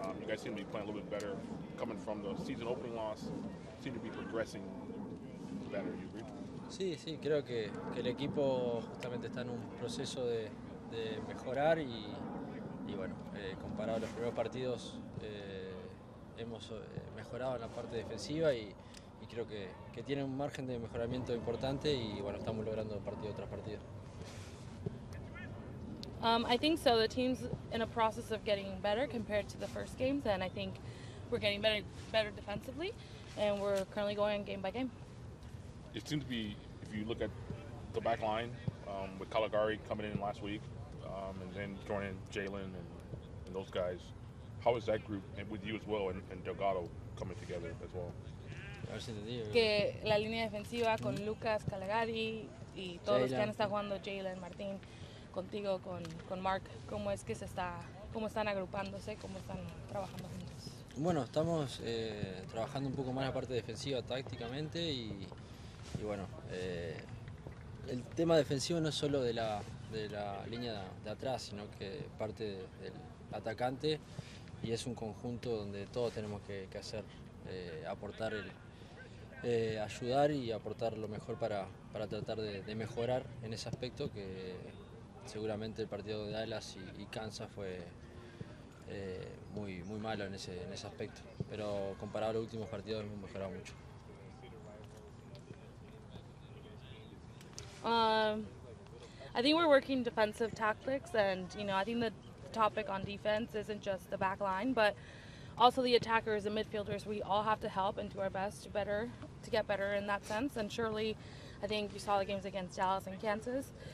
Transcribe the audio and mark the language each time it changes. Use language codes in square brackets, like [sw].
[en] You guys seem to be playing a little bit better coming from the season opening loss. Seem to be progressing better, you agree? [es] Sí, sí, creo que el equipo justamente está en un proceso de mejorar y bueno, comparado a los primeros partidos, hemos mejorado en la parte defensiva y creo que tiene un margen de mejoramiento importante y bueno, estamos logrando partido tras partido. [en] I think so. The team's in a process of getting better compared to the first games, and I think we're getting better defensively, and we're currently going game by game. It seems to be, if you look at the back line, with Caligari coming in last week, and then joining Jalen and those guys, how is that group, and with you as well, and Delgado coming together as well? [es] Que la línea defensiva con Lucas, Caligari, y todos los que han estado jugando, Jalen, Martín, contigo, con Mark, ¿cómo es que se está, cómo están agrupándose, cómo están trabajando juntos? Bueno, estamos trabajando un poco más la parte defensiva tácticamente y bueno, el tema defensivo no es solo de la línea de atrás, sino que parte del atacante y es un conjunto donde todos tenemos que hacer, aportar, ayudar y aportar lo mejor para tratar de mejorar en ese aspecto que seguramente el partido de Dallas y Kansas fue muy, muy malo en ese aspecto, pero comparado a los últimos partidos hemos mejorado mucho. [en] I think we're working defensive tactics, and you know, I think the topic on defense isn't just the back line, but also the attackers and midfielders. We all have to help and do our best to get better in that sense. And surely, I think you saw the games against Dallas and Kansas.